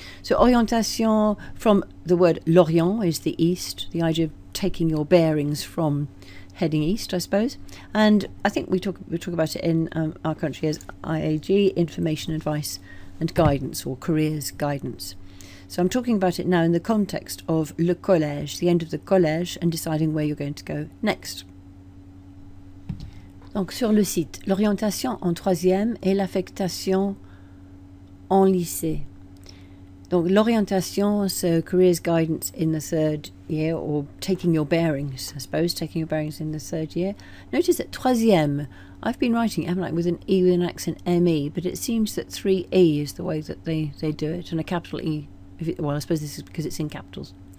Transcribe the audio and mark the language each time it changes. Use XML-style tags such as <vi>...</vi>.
<en>So orientation, from the word l'orient, is the east, the idea of taking your bearings from heading east, I suppose. And I think we talk about it in our country as IAG, information, advice and guidance, or careers guidance. So I'm talking about it now in the context of le collège, the end of the collège, and deciding where you're going to go next.</en> <fr>Donc sur le site, l'orientation en troisième et l'affectation en lycée. Donc l'orientation,</fr> <en>so careers guidance in the third year, or taking your bearings, I suppose, taking your bearings in the third year. Notice that troisième, I've been writing, I'm like with an E, with an accent M-E, but it seems that three E is the way that they do it, and a capital E, I suppose this is because it's in capitals.</en>